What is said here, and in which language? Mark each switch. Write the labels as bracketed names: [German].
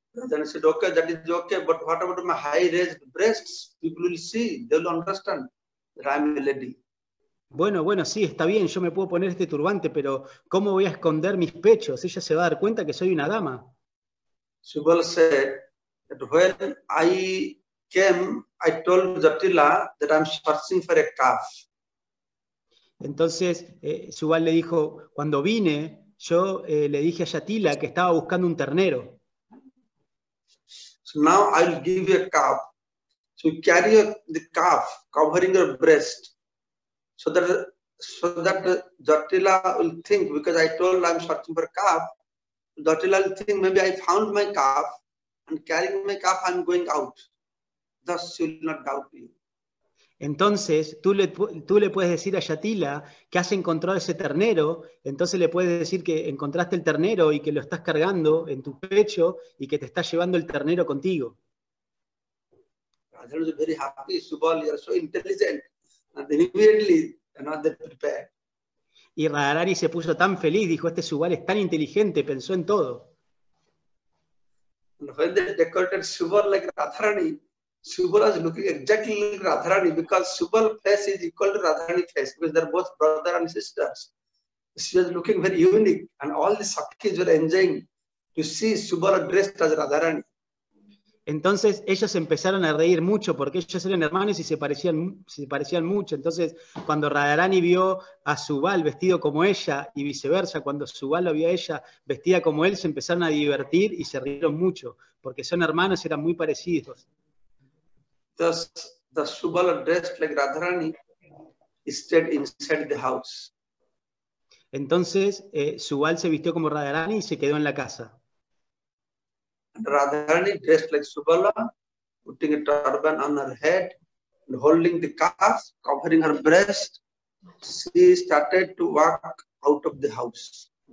[English] Then I said, okay, that is okay, but what about my high-raised breasts? People will see, they will understand that I'm a lady. [Spanish] Bueno, sí, está bien, yo me puedo poner este turbante, pero ¿cómo voy a esconder mis pechos? Ella se va a dar cuenta que soy una dama. [English] Subal said that when I came, I told Jatila that I'm searching for a calf. [Spanish] Entonces, Subal le dijo, cuando vine, yo le dije a Jatila que estaba buscando un ternero. [English] So now I'll give you a calf. So you carry the calf covering your breast so that Jatila will think, because I told I'm searching for calf, Jatila will think maybe I found my calf, and carrying my calf I'm going out. Thus she will not doubt you. [Spanish] Entonces, tú le puedes decir a Yatila que has encontrado ese ternero, entonces le puedes decir que encontraste el ternero y que lo estás cargando en tu pecho y que te estás llevando el ternero contigo. [English] Rajan is very happy. Subal, you are so intelligent. And immediately, another prepared. [Spanish] Y Radharani se puso tan feliz, dijo, este Subal es tan inteligente, pensó en todo. [English] When they decorated Subal like Radharani, Subal is looking exactly like Radharani because Subal's face is equal to Radharani's face because they're both brother and sisters. She was looking very unique and all the sakis were enjoying to see Subal dressed as Radharani. [Spanish] Entonces ellas empezaron a reír mucho porque ellas eran hermanos y se parecían mucho. Entonces cuando Radharani vio a Subal vestido como ella y viceversa, cuando Subal lo vio a ella vestida como él, se empezaron a divertir y se rieron mucho porque son hermanos y eran muy parecidos. [English] Thus, the Subal dressed like Radharani stayed inside the house. [Spanish] Entonces Subal se vistió como Radharani y se quedó en la casa. [English] Radharani dressed like Subala, putting a turban on her head and holding the calf, covering her breast, she started to walk out of the house.